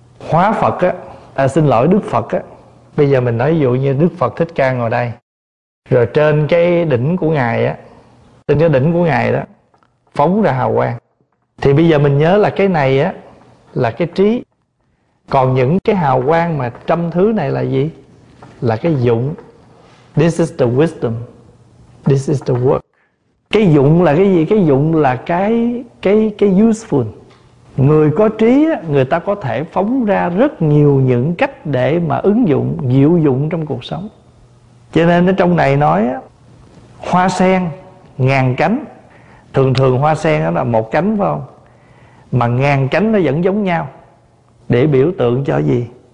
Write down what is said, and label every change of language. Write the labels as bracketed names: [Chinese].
[Vietnamese] Hóa Phật á, à xin lỗi, Đức Phật á, bây giờ mình nói ví dụ như Đức Phật Thích Ca ngồi đây, rồi trên cái đỉnh của Ngài á, trên cái đỉnh của Ngài đó phóng ra hào quang. Thì bây giờ mình nhớ là cái này á là cái trí. Còn những cái hào quang mà trăm thứ này là gì? Là cái dụng. [English] This is the wisdom, this is the work. [Vietnamese] Cái dụng là cái gì? Cái dụng là cái [English] useful. [Vietnamese] Người có trí, người ta có thể phóng ra rất nhiều những cách để mà ứng dụng, diệu dụng trong cuộc sống. Cho nên ở trong này nói, hoa sen ngàn cánh. Thường thường hoa sen đó là một cánh phải không? Mà ngàn cánh nó vẫn giống nhau, để biểu tượng cho gì?